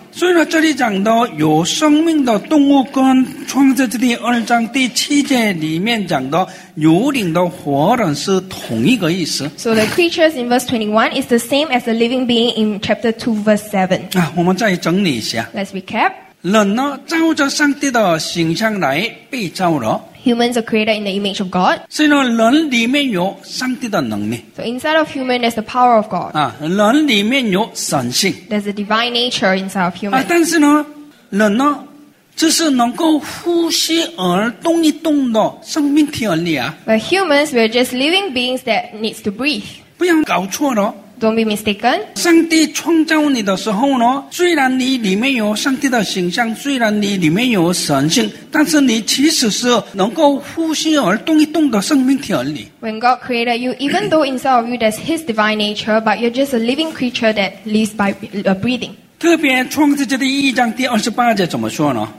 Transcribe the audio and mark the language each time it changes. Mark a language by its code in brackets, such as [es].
[zh] 所以呢，这里讲的有生命的动物，跟创世纪第二章第七节里面讲的有灵的活人是同一个意思。 [en] So the creatures in verse 21 is the same as the living being in chapter 2 verse 7. [zh] 我们再整理一下。 [en] Let's recap. [zh] 人呢，照着上帝的形象来被造了。 [en] humans are created in the image of God. [zh] 人里面有上帝的能力. [en] So inside of human there's the power of God. [zh] 아, 人里面有神性. [en] There's a divine nature inside of human. [zh] 아, 但是呢, 人呢, 只是能够呼吸而动一动的生命体而已啊. [en] But humans, we're just living beings that needs to breathe. [zh] 不要搞错了. [en] Don't be mistaken. [zh] 上帝创造你的时候呢, 虽然你里面有上帝的形象, 虽然你里面有神性, 但是你其实是能够呼吸而动一动的生命体而已. [en] When God created you, even though inside of you there's His divine nature, but you're just a living creature that lives by breathing. [zh] 特别创世纪的一章第28节怎么说呢?